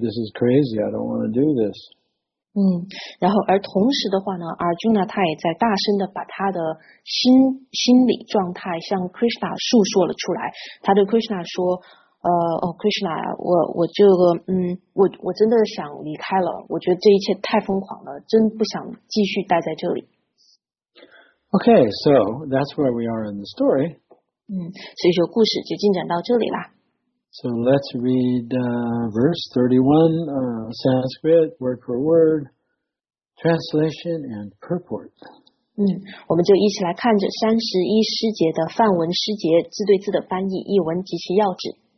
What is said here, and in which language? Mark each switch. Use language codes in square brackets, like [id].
[en] This is crazy. I don't want to do this. [zh] 然后而同时的话呢，阿朱娜他也在大声的把他的心理状态向 Krishna 诉说了出来。他对 Krishna 说，Krishna， 我真的想离开了，我觉得这一切太疯狂了，真不想继续待在这里。 [en] Okay, so that's where we are in the story. [zh] 所以说故事就进展到这里啦。 [en] So let's read verse 31, Sanskrit, word for word, translation and purport. [zh] 我们就一起来看着31诗节的梵文诗节，字对字的翻译，译文及其要旨。